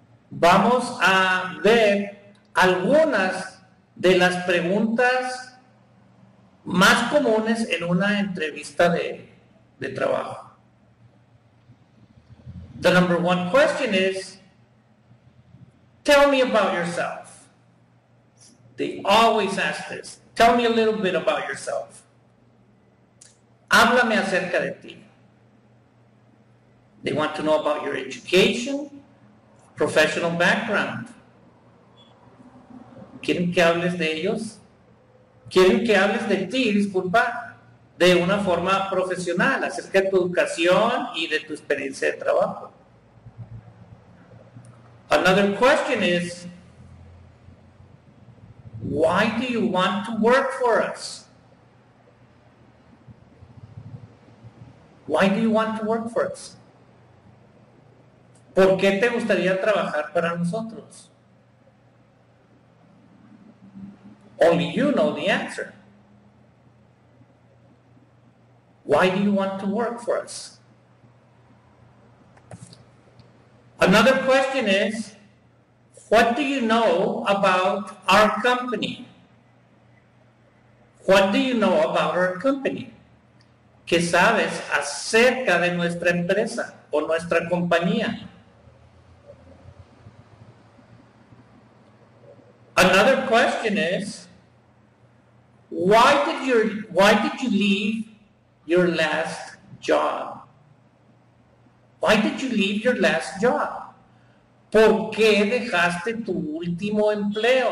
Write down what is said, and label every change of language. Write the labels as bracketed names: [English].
[Spanish] Vamos a ver algunas de las preguntas más comunes en una entrevista de trabajo. [English] The number one question is, tell me about yourself. They always ask this. Tell me a little bit about yourself. [Spanish] Háblame acerca de ti. [English] They want to know about your education, professional background. [Spanish] ¿Quieren que hables de ellos? ¿Quieren que hables de ti, disculpa, de una forma profesional, acerca de tu educación y de tu experiencia de trabajo? [English] Another question is, why do you want to work for us? Why do you want to work for us? [Spanish] ¿Por qué te gustaría trabajar para nosotros? [English] Only you know the answer. Why do you want to work for us? Another question is, what do you know about our company? What do you know about our company? [Spanish] ¿Qué sabes acerca de nuestra empresa o nuestra compañía? [English] Another question is, why did you leave your last job? Why did you leave your last job? [Spanish] ¿Por qué dejaste tu último empleo?